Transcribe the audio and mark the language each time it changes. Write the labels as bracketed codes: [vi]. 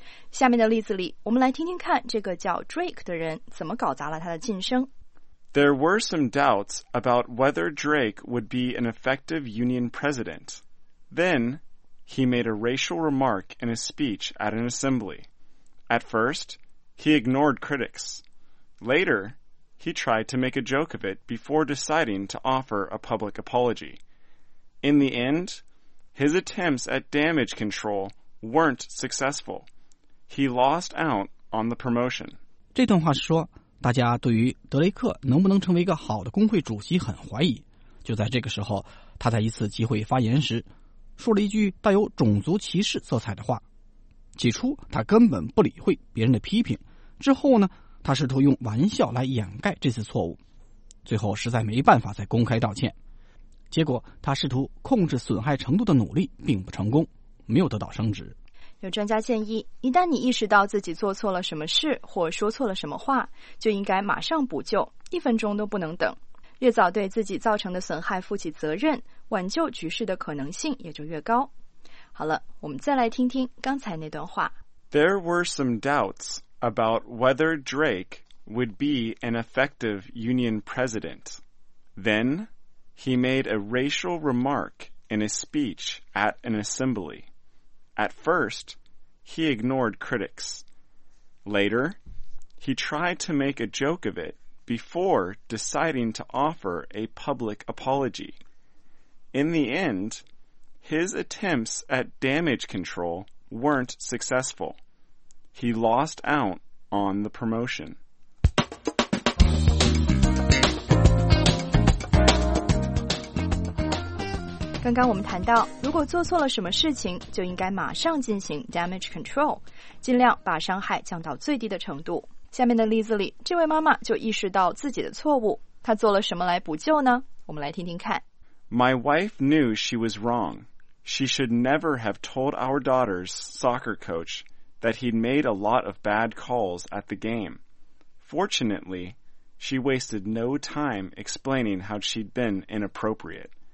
[zh] 下面的例子里，我们来听听看这个叫 Drake 的人怎么搞砸了他的晋升。 [en] There were some doubts about whether Drake would be an effective union president. Then, he made a racial remark in a speech at an assembly. At first, he ignored critics. Later, he tried to make a joke of it before deciding to offer a public apology. In the end, his attempts at damage control weren't successful. He lost out on the promotion. [zh] 这段话是说，大家对于德雷克能不能成为一个好的工会主席很怀疑。就在这个时候，他在一次集会发言时，说了一句带有种族歧视色彩的话。起初，他根本不理会别人的批评。之后呢，他试图用玩笑来掩盖这次错误。最后，实在没办法再公开道歉。结果，他试图控制损害程度的努力并不成功，没有得到升职。有专家建议，一旦你意识到自己做错了什么事或说错了什么话，就应该马上补救，一分钟都不能等。越早对自己造成的损害负起责任，挽救局势的可能性也就越高。好了，我们再来听听刚才那段话。 [en] There were some doubts about whether Drake would be an effective union president. Then, he made a racial remark in a speech at an assembly. At first, he ignored critics. Later, he tried to make a joke of it before deciding to offer a public apology. In the end, his attempts at damage control weren't successful. He lost out on the promotion. [zh] 刚刚我们谈到，如果做错了什么事情，就应该马上进行 damage control， 尽量把伤害降到最低的程度。下面的例子里，这位妈妈就意识到自己的错误，她做了什么来补救呢？我们来听听看。 [en] My wife knew she was wrong. She should never have told our daughter's soccer coach that he'd made a lot of bad calls at the game. Fortunately, she wasted no time explaining how she'd been inappropriate.